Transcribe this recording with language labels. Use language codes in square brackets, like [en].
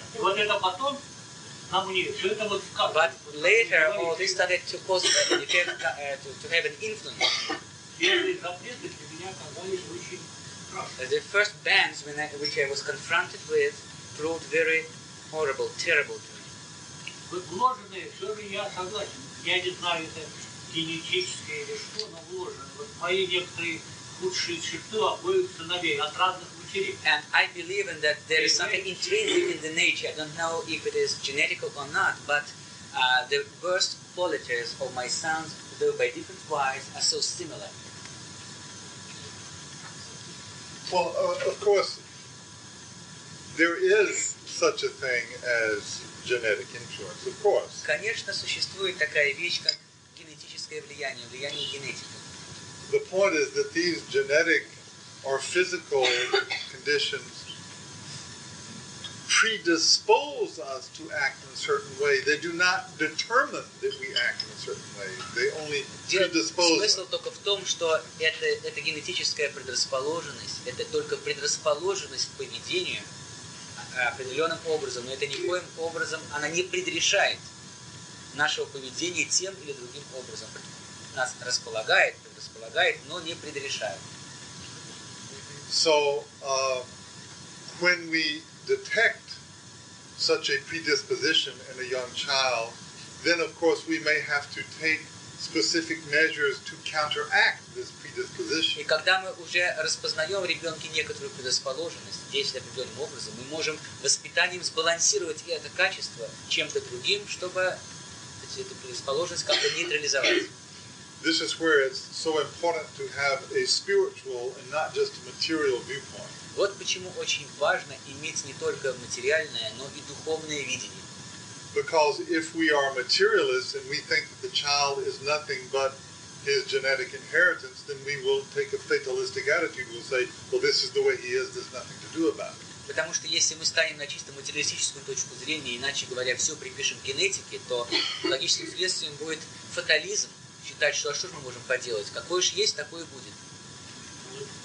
[en] But later, all this started to cause to have an influence. The first bans which I was confronted with proved very horrible, terrible to me. [ru] Вложенные, все же я согласен. Я не знаю, это генетическое или что, но вложенные. Вот мои некоторые лучшие черты обоих сыновей от разных матерей. [en] And I believe in that there is something intrinsic in the nature. I don't know if it is genetic or not, but the worst qualities of my sons, though by different wives, are so similar. Well, of course, there is such a thing as genetic influence, of course. [ru] Конечно, существует такая вещь, как генетическое влияние, влияние генетики. [en] The point is that these genetic or physical conditions predispose us to act in a certain way. They do not determine that we act in a certain way. They only predispose. [ru] Смысл только в том, что это генетическая предрасположенность, это только предрасположенность к поведению определенным образом, но это никоим образом, она не предрешает нашего поведения тем или другим образом. Нас располагает, предрасполагает, но не предрешает. [en] So, when we detect such a predisposition in a young child, then of course we may have to take specific measures to counteract this predisposition. [ru] И когда мы уже распознаем в ребенке некоторую предрасположенность, действуя определенным образом, мы можем воспитанием сбалансировать и это качество чем-то другим, чтобы эту предрасположенность как-то нейтрализовать. [en] This is where it's so important to have a spiritual and not just a material viewpoint. [ru] Вот почему очень важно иметь не только материальное, но и духовное видение. [en] Because if we are materialists and we think that the child is nothing but his genetic inheritance, then we will take a fatalistic attitude. We'll say, well, this is the way he is, there's nothing to do about it. [ru] Потому что если мы станем на чисто материалистическую точку зрения, иначе говоря, все припишем генетике, то логическим следствием будет фатализм, считать, что а что же мы можем поделать? Какое же есть, такое и будет.